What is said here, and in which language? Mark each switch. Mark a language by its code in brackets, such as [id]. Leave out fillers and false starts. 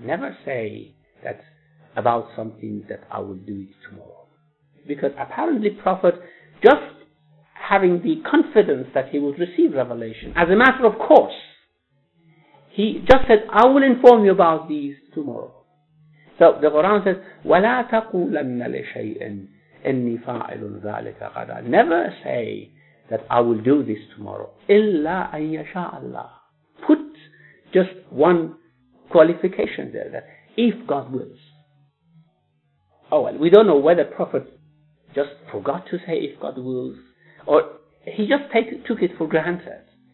[en] Never say that about something that I will do it tomorrow. Because apparently Prophet, just having the confidence that he would receive revelation, as a matter of course, he just said, I will inform you about these tomorrow. So the Quran says, [ar] وَلَا تَقُولَنَّ لِشَيْءٍ إِنِّي فَاعِلٌ ذَلِكَ غَدًا. [en] Never say that I will do this tomorrow. [ar] إِلَّا أَن يَشَاءَ اللَّهِ. [en] Put just one qualification there, that if God wills. Oh well, we don't know whether Prophet just forgot to say if God wills, or he just took it for granted.